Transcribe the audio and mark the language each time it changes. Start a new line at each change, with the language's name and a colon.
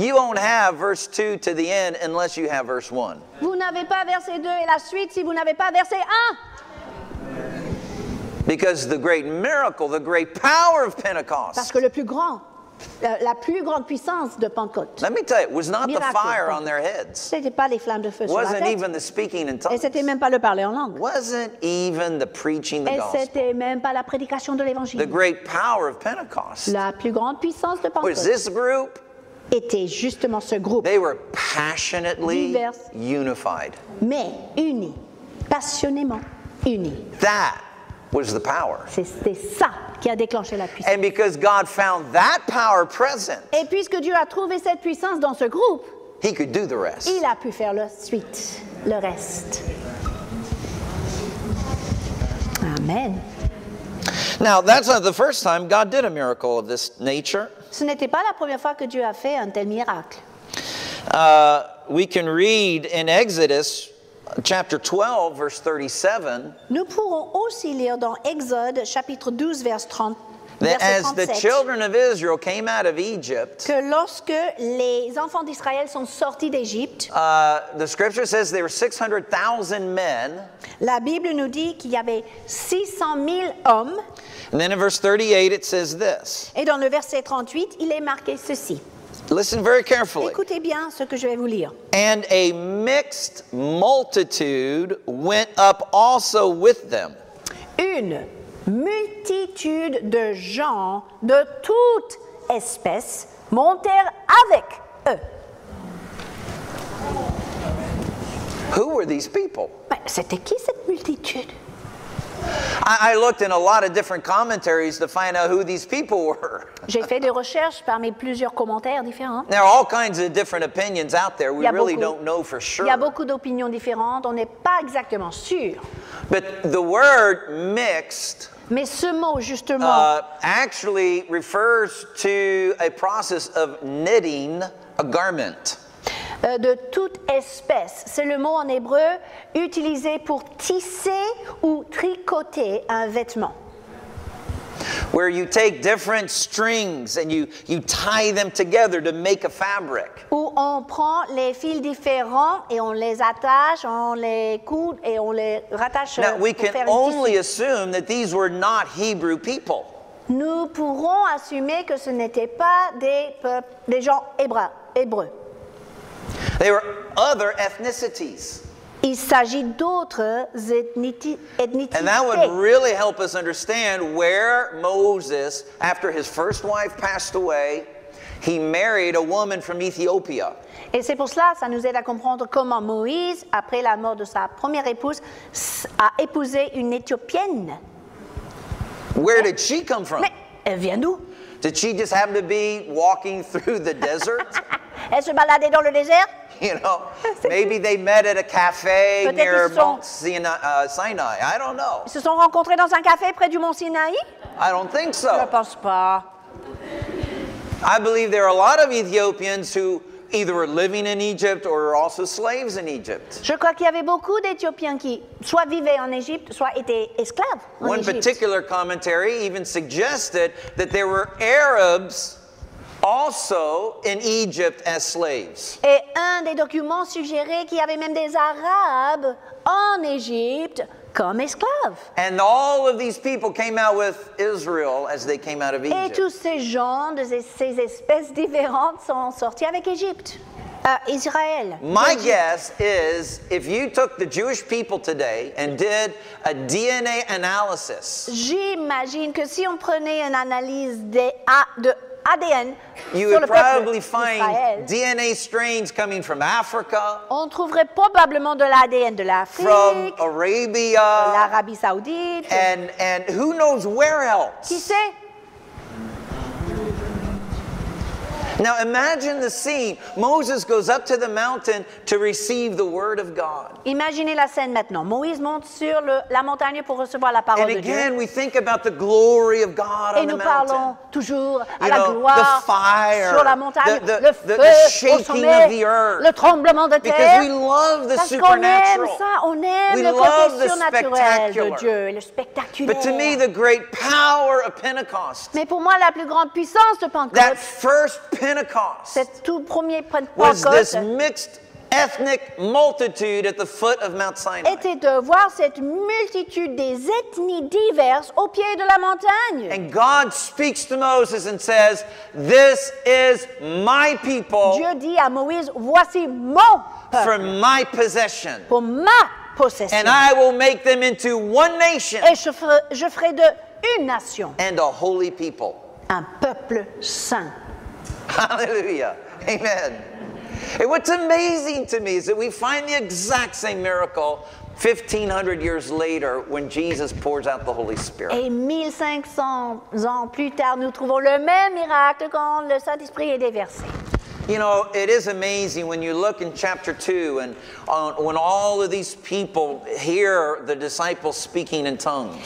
English: you won't have verse 2 to the end unless you have verse 1.
French: Vous n'avez pas verset 2 et la suite si vous n'avez pas verset 1.
English: Because the great miracle, the great power of Pentecost.
French: Parce que le plus grand, la plus grande puissance de Pentecôte.
English: Let me tell you, it was not the fire on their heads.
French: C'était pas les flammes de feu sur la tête.
English: Wasn't even the speaking in tongues.
French: Et c'était même pas le parler en langue.
English: Wasn't even the preaching the gospel.
French: Et c'était même pas la prédication de l'évangile.
English: The great power of Pentecost.
French: La plus grande puissance de Pentecôte.
English: Was this group?
French: Était justement ce groupe.
English: They were passionately
French: divers,
English: unified.
French: Mais unis, passionnément unis.
English: That was the power.
French: C'était ça qui a déclenché la puissance.
English: And because God found that power present,
French: et puisque Dieu a trouvé cette puissance dans ce groupe,
English: he could do the rest.
French: Il a pu faire la suite, le reste.
English: Amen. Now, that's not the first time God did a miracle of this nature.
French: Ce n'était pas la première fois que Dieu a fait un tel miracle.
English: We can read in Exodus chapter 12, verse 37.
French: Nous pourrons aussi lire dans Exode, chapitre 12, verse 37.
English: That as the children of Israel came out of Egypt,
French: que lorsque les enfants d'Israël sont sortis d'Égypte,
English: the scripture says there were 600,000 men.
French: La Bible nous dit qu'il y avait 600 000 hommes.
English: And then in verse 38, it says this.
French: Et dans le verset 38, il est marqué ceci.
English: Listen very carefully.
French: Écoutez bien ce que je vais vous lire.
English: And a mixed multitude went up also with them.
French: Une multitude de gens de toute espèce montèrent avec eux.
English: Who were these people?
French: Mais c'était qui cette multitude?
English: I looked in a lot of different commentaries to find out who these people were.
French: J'ai fait des recherches parmi plusieurs commentaires différents.
English: There are all kinds of different opinions out there. We really don't know for sure.
French: Il y a beaucoup d'opinions différentes. On n'est pas exactement sûr.
English: But the word mixed,
French: mais ce mot justement,
English: actually refers to a process of knitting a garment.
French: De toute espèce. C'est le mot en hébreu utilisé pour tisser ou tricoter un vêtement.
English: Where you take different strings and you tie them together to make a fabric.
French: Où on prend les fils différents et on les attache, on les coud et on les rattache pour faire un tissu.
English: Now we can only assume that these were not Hebrew people.
French: Nous pourrons assumer que ce n'étaient pas des gens hébreux.
English: They were other ethnicities.
French: Il s'agit d'autres ethnicités.
English: And that would really help us understand where Moses, after his first wife passed away, he married a woman from Ethiopia.
French: Et c'est pour cela, ça nous aide à comprendre comment Moïse, après la mort de sa première épouse, a épousé une Éthiopienne.
English: Where did she come from?
French: Mais elle vient d'où?
English: Did she just happen to be walking through the desert?
French: Elle se baladait dans le désert?
English: You know, maybe they met at a cafe
French: peut-être
English: near Mount Sinai. I don't know.
French: Ils se sont rencontrés dans un café près du Mont Sinaï?
English: I don't think so.
French: Je ne pense pas.
English: I believe there are a lot of Ethiopians who either were living in Egypt or were also slaves in Egypt.
French: Je crois qu'il y avait beaucoup d'Éthiopiens qui soit vivaient en Égypte, soit étaient esclaves en
English: One
French: Égypte.
English: One particular commentary even suggested that there were Arabs also in Egypt as slaves.
French: Et un des documents suggérait qu'il y avait même des Arabes en Égypte comme esclaves.
English: And all of these people came out with Israel as they came out of Egypt.
French: Et tous ces gens de ces espèces différentes sont sortis avec Égypte. Israël.
English: My guess is if you took the Jewish people today and did a DNA analysis.
French: J'imagine que si on prenait une analyse de ADN,
English: you would probably find DNA strains coming from Africa.
French: On trouverait probablement de l'ADN de l'Afrique.
English: From Arabia.
French: L'Arabie Saoudite.
English: And who knows where else?
French: Qui sait?
English: Now imagine the scene. Moses goes up to the mountain to receive the word of God.
French: Imaginez la scène maintenant. Moïse monte sur la montagne pour recevoir la parole de Dieu.
English: And again, we think about the glory of God on the
French: mountain. Et nous parlons toujours à la gloire
English: the fire,
French: sur la montagne,
English: the
French: feu,
English: the shaking
French: au sommet,
English: of the earth.
French: Le tremblement de terre.
English: Because we love the supernatural.
French: Parce qu'on aime ça, on aime le côté surnaturel de Dieu et le spectaculaire.
English: But to me, the great power of Pentecost.
French: Mais pour moi, la plus grande puissance de Pentecôte.
English: That first Pentecost was this mixed ethnic multitude at the foot of Mount Sinai.
French: Était de voir cette multitude des ethnies diverses au pied de la montagne.
English: And God speaks to Moses and says, "This is my people."
French: Dieu dit à Moïse, voici mon peuple.
English: For my possession.
French: Pour ma possession.
English: And I will make them into one nation.
French: Et je ferai de une nation.
English: And a holy people.
French: Un peuple saint.
English: Hallelujah. Amen. And what's amazing to me is that we find the exact same miracle 1500 years later when Jesus pours out the Holy Spirit.
French: Et 1500 ans plus tard, nous trouvons le même miracle quand le Saint-Esprit est déversé.
English: You know, it is amazing when you look in chapter 2 and when all of these people hear the disciples speaking in tongues.